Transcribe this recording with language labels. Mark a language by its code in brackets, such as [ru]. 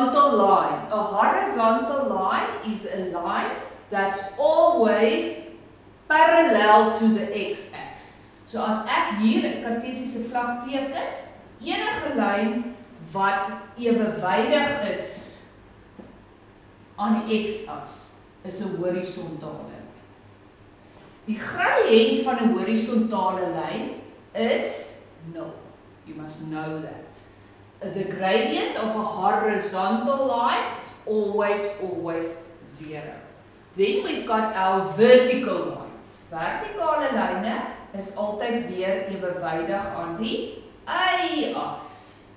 [en] A horizontal line is a line that's always parallel to the x-axis. [af] So as ek hier 'n kartesiese vlak teken, enige lyn wat ewewydig is aan die x-as, is 'n horisontale. Die gradiënt van 'n horisontale lyn is 0. [en] You must know that. The gradient of a horizontal line is always, always 0. Then we've got our vertical lines. [af] Vertikale lyne is altyd weer ewewydig aan die y-as.